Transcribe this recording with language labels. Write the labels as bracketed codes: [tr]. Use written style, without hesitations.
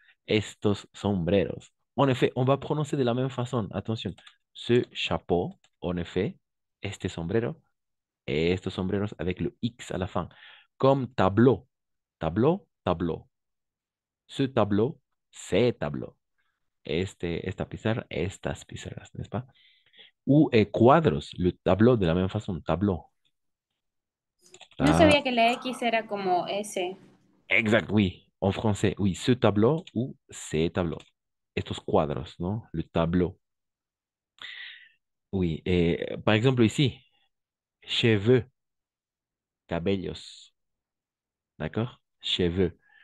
[es] Estos sombreros. [fr] En effet, on va prononcer de la même façon. Attention. Ce chapeau, en effet, [es] este sombrero, estos sombreros [fr] avec le X à la fin. Comme tableau. Tableau, tableau. Ce tableau, c'est tableau. [es] Esta pizarra, estas pizarras, [fr] ¿n'est-ce pas? Ou cuadros, le tableau de la même façon, tableau. [es] No sabía que la X era como S. [fr] Exact, oui. En français, oui, ce tableau ou ces tableaux. [es] Estos cuadros, ¿no? [fr] Le tableau. Oui, et par exemple ici, cheveux, cabellos. D'accord? Cheveux.